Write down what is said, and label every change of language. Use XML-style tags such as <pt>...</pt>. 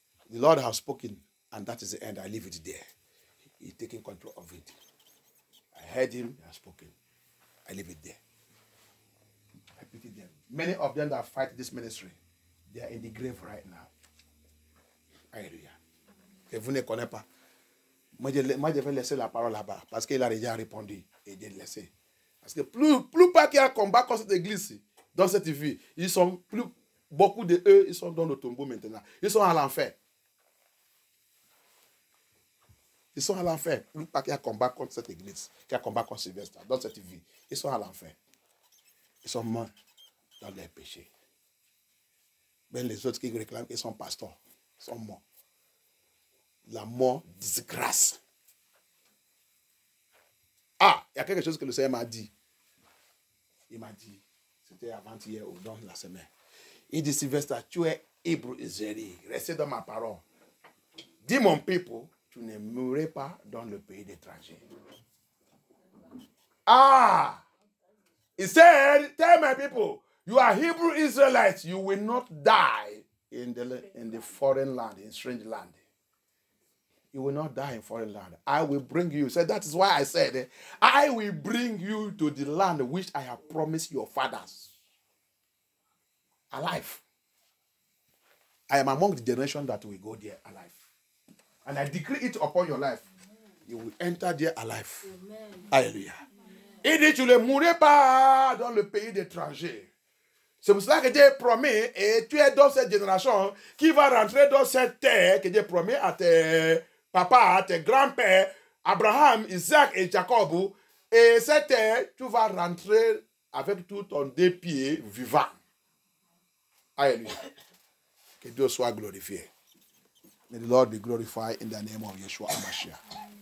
<en>The Lord has spoken, and that is the end. I leave it there. He's taking control of it. I heard him, he has spoken. I leave it there. I pity them. Many of them that fight this ministry, they are in the grave right now.</en> <fr>Alléluia. Que vous ne connaissez pas. Moi, je vais laisser la parole là-bas parce qu'il a déjà répondu et j'ai laissé. Parce que plus pas qu'il y a combat contre cette église dans cette vie, ils sont plus, beaucoup de eux, ils sont dans le tombeau maintenant. Ils sont à l'enfer. Ils sont à l'enfer. Plus pas qu'il y a combat contre cette église, qu'il y a combat contre Sylvester dans cette vie. Ils sont à l'enfer. Ils sont morts dans leurs péchés. Mais les autres qui réclament qu'ils sont pasteurs, ils sont morts. La mort disgrâce. Ah, il y a quelque chose que le Seigneur m'a dit. Il m'a dit, c'était avant-hier ou dans la semaine. Il dit, Sylvester, tu es hébreu Israélien. Restez dans ma parole. Dis mon peuple, tu ne mourrais pas dans le pays d'étrangers. Ah!</fr> <en>Il said, tell my people, you are Hebrew Israelites. You will not die in the foreign land, in strange land. You will not die in foreign land. I will bring you. So that is why I said, I will bring you to the land which I have promised your fathers. Alive. I am among the generation that will go there alive. And I decree it upon your life. You will enter there alive. Alléluia.</en> <fr>Il dit, tu ne mourrais pas dans le pays d'étrangers. C'est pour cela que j'ai promis, et tu es dans cette génération qui va rentrer dans cette terre que j'ai promis à tes papa, tes grands-pères, Abraham, Isaac et Jacob, et cette terre, tu vas rentrer avec tout ton dépit vivant. Alléluia. Que Dieu soit glorifié.</fr> <en>May the Lord be glorified in the name of Yeshua HaMashiach.</en>